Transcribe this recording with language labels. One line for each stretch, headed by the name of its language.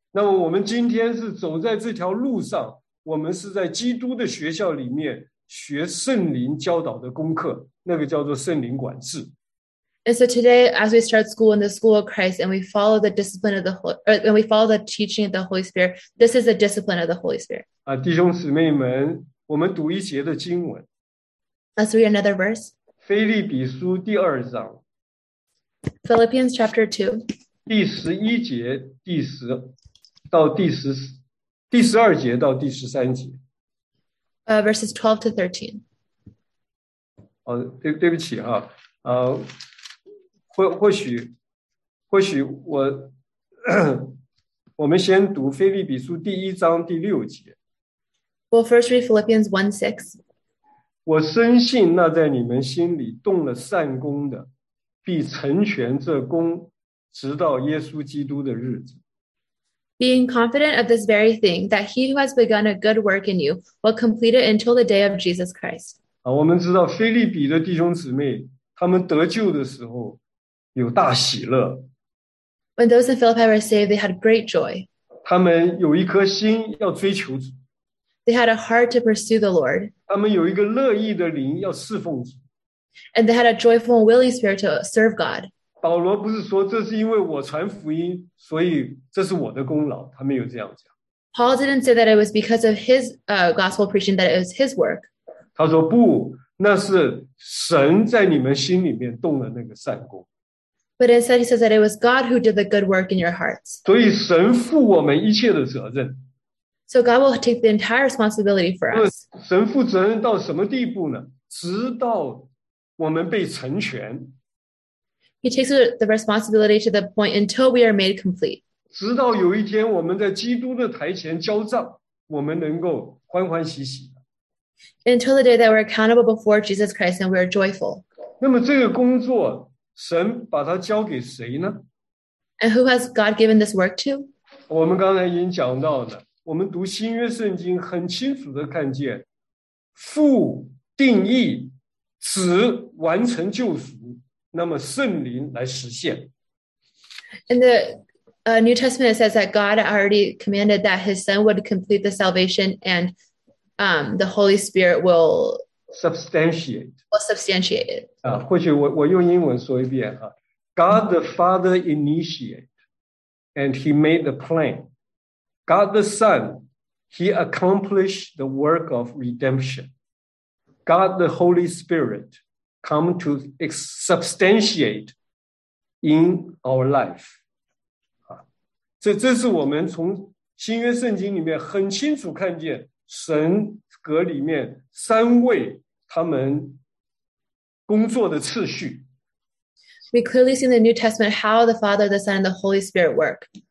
Chinese: 那么我们今天是走在这条路上，我们是在基督的学校里面学圣灵教导的功课，那个叫做圣灵管制。
English: And so today, as we start school in the school of Christ, and we follow the discipline of the Holy, and we follow the teaching of the Holy Spirit, this is the discipline of the Holy Spirit.
Chinese: 弟兄姊妹们，我们读一节的经文。
English: Let's read another verse.
Chinese: 腓立比书第二章。
English: Philippians chapter 2.
Chinese: 第十一节，第十。到第十二节到第十三节。
English: Verses 12 to 13.
Chinese: 对不起啊。或许我我们先读腓立比书第一章第六节。
English: We'll first read Philippians 1:6.
Chinese: 我深信那在你们心里动了善功的必成全这功直到耶稣基督的日子。
English: Being confident of this very thing, that he who has begun a good work in you will complete it until the day of Jesus Christ.
Chinese: 我们知道腓立比的弟兄姊妹，他们得救的时候有大喜乐。
English: When those in Philippi were saved, they had great joy.
Chinese: 他们有一颗心要追求主。
English: They had a heart to pursue the Lord.
Chinese: 他们有一个乐意的灵要侍奉主。
English: And they had a joyful and willing spirit to serve God.
Chinese: 保罗不是说这是因为我传福音，所以这是我的功劳，他没有这样讲。
English: Paul didn't say that it was because of his gospel preaching that it was his work.
Chinese: 他说不，那是神在你们心里面动了那个善功。
English: But instead he says that it was God who did the good work in your hearts.
Chinese: 所以神负我们一切的责任。
English: So God will take the entire responsibility for us.
Chinese: 神负责任到什么地步呢？直到我们被成全。
English: He takes the responsibility to the point until we are made complete.
Chinese: 直到有一天我们在基督的台前交账，我们能够欢欢喜喜。
English: Until the day that we're accountable before Jesus Christ and we're joyful.
Chinese: 那么这个工作，神把它交给谁呢？
English: And who has God given this work to?
Chinese: 我们刚才已经讲到的，我们读新约圣经很清楚地看见，父定义，子完成救赎。那么圣灵来实现。
English: In the New Testament, it says that God already commanded that His Son would complete the salvation, and the Holy Spirit will substantiate. Will substantiate it.
Chinese: 或许我用英文说一遍啊 ，
English: God the Father initiate. and he made the plan. God the Son, he accomplished the work of redemption. God the Holy Spirit come to substantiate in our life.
Chinese: 这是我们从新约圣经里面很清楚看见神格里面三位他们工作的次序。
English: We clearly see in the New Testament how the Father, the Son, and the Holy Spirit work.